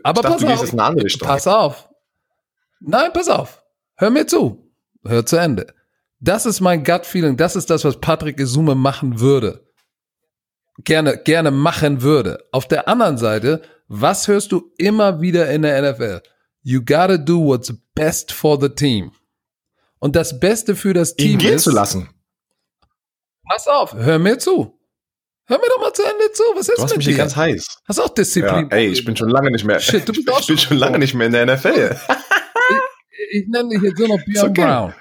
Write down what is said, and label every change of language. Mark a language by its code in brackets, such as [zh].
[de] Aber pass auf. Nein, pass auf. Hör mir zu. Hör zu Ende. Das ist mein Gut-Feeling. Das ist das, was Patrick Gesumme machen würde. Gerne machen würde. Auf der anderen Seite, was hörst du immer wieder in der NFL? [en] You gotta do what's best for the team. [de] Und das Beste für das Team ist, ihn gehen zu lassen. Pass auf, hör mir zu. Hör mir doch mal zu Ende zu. Was ist mit dir? Du hast mich ganz heiß. Hast auch Disziplin. Ja, ey, ich bin schon lange nicht mehr. Shit, du bist ich bin schon lange nicht mehr in der NFL. Ich nenne dich jetzt nur noch Björn Brown.